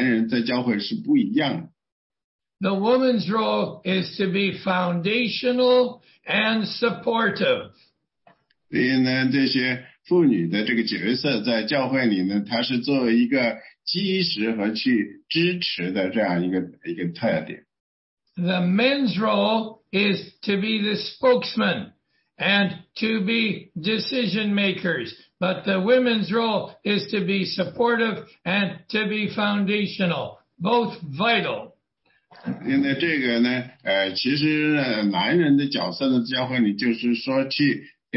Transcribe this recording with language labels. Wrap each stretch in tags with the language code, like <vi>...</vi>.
<zh>因为这个妇女呢，在教会里和男人之间呢有同样同等的职责，但是呢，妇女和男人在教会是不一样的。</zh> <en>The woman's role is to be foundational and supportive.</en> <zh>因为呢，这些 妇女的这个角色在教会里呢，她是作为一个基石和去支持的这样一个特点。</zh> <en>The men's role is to be the spokesman and to be decision makers, but the women's role is to be supportive and to be foundational, both vital.</en> <zh>因为这个呢，其实男人的角色呢，教会里就是说去。</zh>